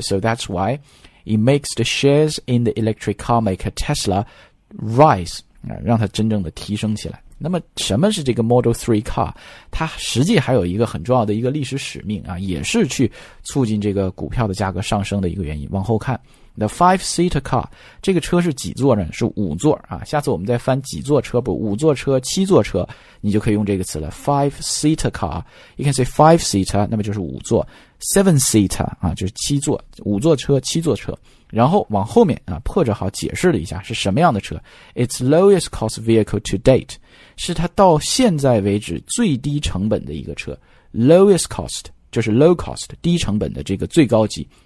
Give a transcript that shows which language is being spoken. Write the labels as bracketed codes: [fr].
[en] So that's whyIt makes the shares in the electric car maker Tesla rise, [zh] 让它真正的提升起来。那么什么是这个 Model 3 car? 它实际还有一个很重要的一个历史使命啊，也是去促进这个股票的价格上升的一个原因。往后看， [en] The five-seater car, [zh] 这个车是几座呢？是五座啊。下次我们再翻几座车，不，五座车、七座车，你就可以用这个词了。 [en] Five-seater car, you can say five-seater, [zh] 那么就是五座。 Seven-seater, 啊，就是七座，五座车、七座车。然后往后面啊，破折号解释了一下是什么样的车。 [en] It's lowest cost vehicle to date, [zh] 是它到现在为止最低成本的一个车。 Lowest cost, 就是 low cost, 低成本的这个最高级。